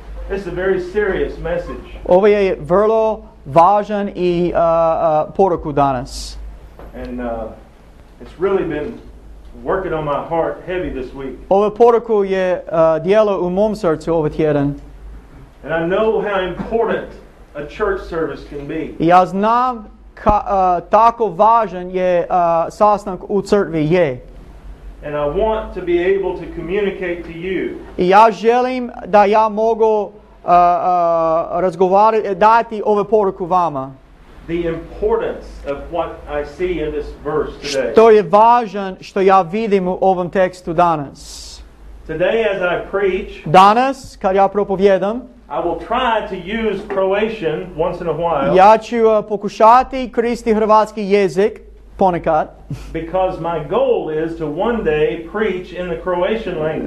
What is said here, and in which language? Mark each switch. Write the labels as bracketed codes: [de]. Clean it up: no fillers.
[en] It's a very serious message. [hr] Ovo je vrlo važan i poruku danas. [en] And it's really been working on my heart heavy this week. [hr] Ova poruku je djelo u mom srcu ovaj tjedan. [en] And I know how important a church service can be. [hr] Ja znam tako važan je sastanak u crkvi je. [en] And I want to be able to communicate to you. [hr] I ja želim da ja mogu razgovarati, dati ovu poruku vama. [en] The importance of what I see in this verse today. [hr] Što je važan što ja vidim u ovom tekstu danas. [en] Today as I preach, [hr] danas kad ja propovjedam, [en] I will try to use Croatian once in a while. [hr] Ja ću pokušati koristiti hrvatski jezik ponekad. [en] Because my goal is to one day preach in the Croatian language.